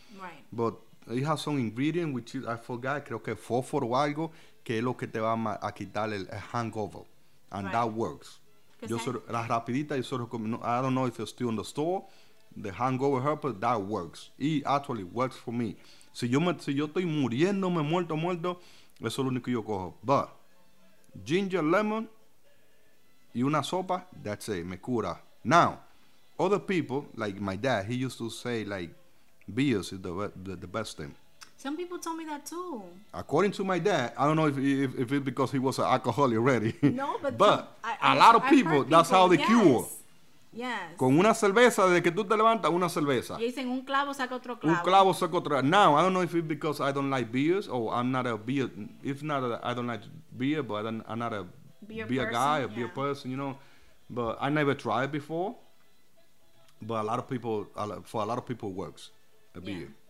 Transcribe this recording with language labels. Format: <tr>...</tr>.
<en>Right. But it has some ingredient, which is, I forgot,</en> <es>creo que fósforo o algo, que es lo que te va a quitar el hangover.</es> <en>And that works.</en> <es>La rapidita, yo solo recomiendo,</es> <en>I don't know if it's still in the store, the hangover helper, that works. It actually works for me.</en> <es>Si yo estoy muriéndome, muerto, eso es lo único que yo cojo.</es> <en>But ginger, lemon,</en> <es>y una sopa,</es> <en>that's it,</en> <es>me cura.</es> <en>Now, other people, like my dad, he used to say, like, beers is the best thing. Some people told me that too. According to my dad, I don't know if it's because he was an alcoholic already. No, but a lot of people, that's how they cure. Yes.</en> <es>Con una cerveza, desde que tú te levantas, una cerveza. Y dicen, un clavo saca otro clavo. Un clavo saca otro clavo.</es> <en>Now, I don't know if it's because I don't like beers or I'm not a beer. If not, I don't like beer, but I'm not a beer person, you know. But I never tried before. But for a lot of people, it works. A beer. Yeah.</en>